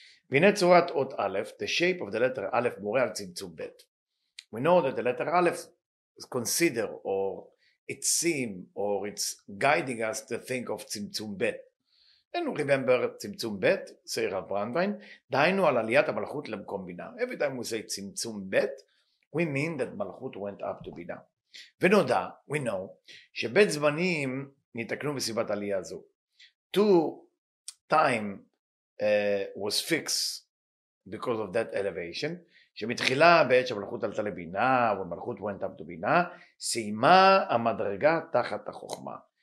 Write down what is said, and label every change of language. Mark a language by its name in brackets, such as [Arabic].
[Hebrew] והנה צורת אות א', [English] the shape of the letter [Hebrew] א', מורה על צמצום ב'. [English] We know that the letter א' is consider, or it seem, or it's guiding us to think of צמצום ב'. And remember, [Hebrew] צמצום ב', say רב ברנדווין, דיינו על עליית המלכות למקום בינה. [English] Every time we say צמצום ב', we mean that Malchut went up to Bina. [Hebrew] Venoda, [English] we know, [Hebrew] שבית זמנים נתקנו בסביבת עלייה זו. [English] Two time was fixed because of that elevation, [Hebrew] שמתחילה בעת שמלכות עלתה לבינה, [English] when Malchut went up to Bina, [Hebrew] סיימה המדרגה תחת החוכמה.